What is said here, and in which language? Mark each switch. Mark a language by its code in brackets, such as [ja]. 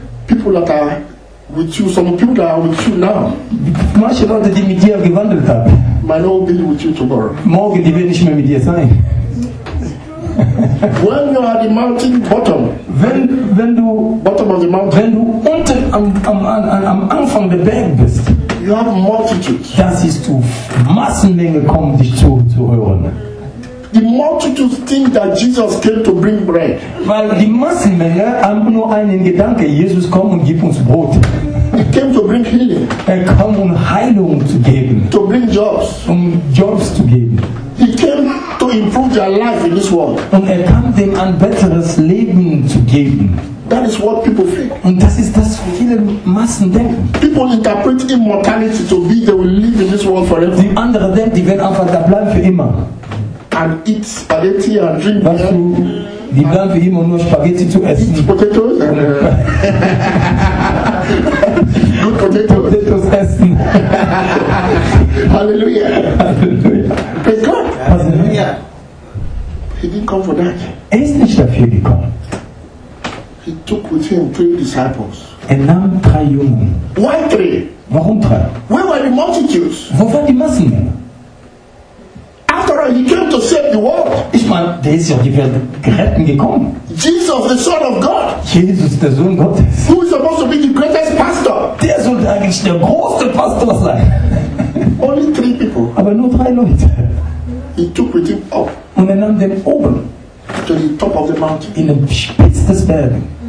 [en] People that are with you, some people that are with you now. [de] Manche Leute, die mit dir gewandelt haben, [en] might not be with you tomorrow. [de] Morgen, die werden nicht mehr mit dir sein. [en] When you are the mountain bottom, [de] wenn du [en] of the mountain, [de] wenn du unten am Anfang der Berg bist, [en] you have multitudes. [de] Das ist du. Massenmenge kommen dich zu hören. [en] The multitudes think that Jesus came to bring bread. [de] Weil die Massenmenge haben nur einen Gedanke: Jesus kommt und gibt uns Brot. [en] He came to bring healing. [de] Er kam, um Heilung zu geben. [en] To bring jobs. [de] Um Jobs zu geben. [en] He came to improve their life in this world. [de] Und er kam, dem ein besseres Leben zu geben. [en] That is what people think. [de] Und das ist das, was viele Massen denken. [en] People interpret immortality to be they will live in this world forever. [de] Die anderen denken, die werden einfach da bleiben für immer. [en] And eat spaghetti and drink beer. [de] Was du, die bleiben für immer nur Spaghetti zu essen. [en] Eat potatoes and good potatoes [de] essen. [en] Hallelujah. Praise God. Hallelujah. He didn't come for that. [de] Er ist nicht dafür gekommen. [en] He took with him three disciples. [de] Er nahm drei Jungen. [en] Why three? [de] Warum drei? [en] Where were the multitudes? [de] Wo waren die Massen? [en] After all, he came to save the world. [de] Ich meine, der ist ja auf die Welt gerettet gekommen. [en] Jesus, the Son of God. [de] Jesus, der Sohn Gottes. [en] Who is supposed to be the greatest pastor? [de] Der sollte eigentlich der größte Pastor sein. [en] Only three people. [de] Aber nur drei Leute. [en] He took with him up. [de] Und er nahm den oben. [en] To the top of the mountain. [de] In den Spitz des Berges.